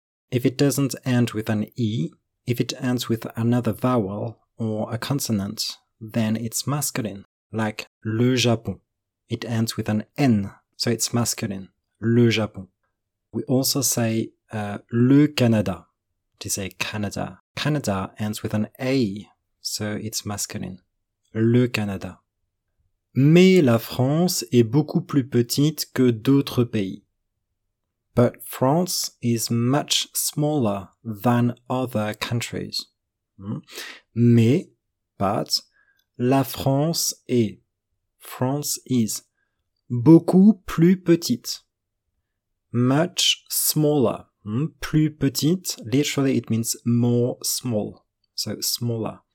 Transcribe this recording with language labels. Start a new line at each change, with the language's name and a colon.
English: If it doesn't end with an E, if it ends with another vowel or a consonant, then it's masculine, like le Japon. It ends with an N, so it's masculine, le Japon. We also say le Canada, to say Canada. Canada ends with an A, so it's masculine.
French: Le Canada. Mais la France est beaucoup plus petite que d'autres pays.
English: But France is much smaller than other countries.
French: Mais, but, la France est,
English: France is,
French: beaucoup plus petite.
English: Much smaller.
French: Plus petite,
English: literally it means more small. So smaller.